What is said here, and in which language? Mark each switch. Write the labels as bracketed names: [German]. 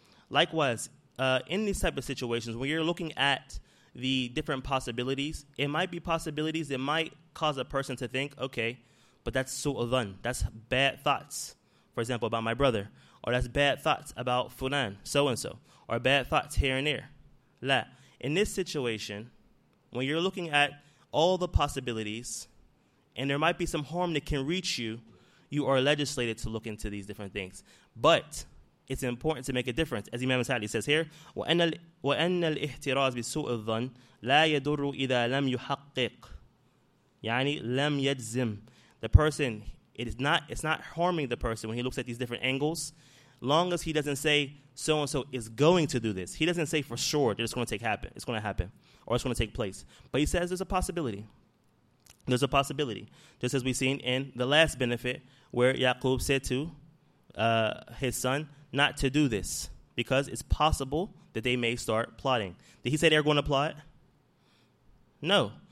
[English] Likewise, in these type of situations, when you're looking at the different possibilities, it might be possibilities that might cause a person to think, okay, but that's su'u dhan, that's bad thoughts, for example, about my brother, or that's bad thoughts about fulan, so-and-so, or bad thoughts here and there. La. In this situation, when you're looking at all the possibilities, and there might be some harm that can reach you, you are legislated to look into these different things. But it's important to make a difference. As Imam Sa'di says here, [Arabic] وَأَنَّ الْإِحْتِرَازِ بِسُوءِ الظَّنِ لَا يَدُرُّ إِذَا لَمْ يُحَقِّقْ يعني لَمْ يَجْزِمْ. [English] The person, it's not harming the person when he looks at these different angles, long as he doesn't say so-and-so is going to do this. He doesn't say for sure that it's going to happen, or it's going to take place. But he says there's a possibility. There's a possibility, just as we've seen in the last benefit, where Yaqub said to his son not to do this, because it's possible that they may start plotting. Did he say they're going to plot? No.